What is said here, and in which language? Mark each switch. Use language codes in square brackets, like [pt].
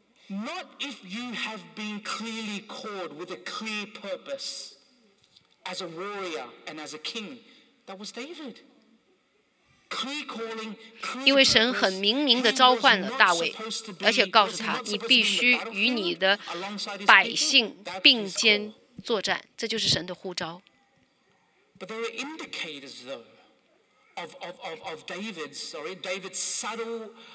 [en] Not if you have been clearly called with a clear purpose as a warrior and as a king. That was David. Clear calling, clear purpose. [zh] 因为神很明明地召唤了大卫，而且告诉他，你必须与你的百姓并肩作战，这就是神的呼召。 [en] But there are indicators, though, of David's subtle.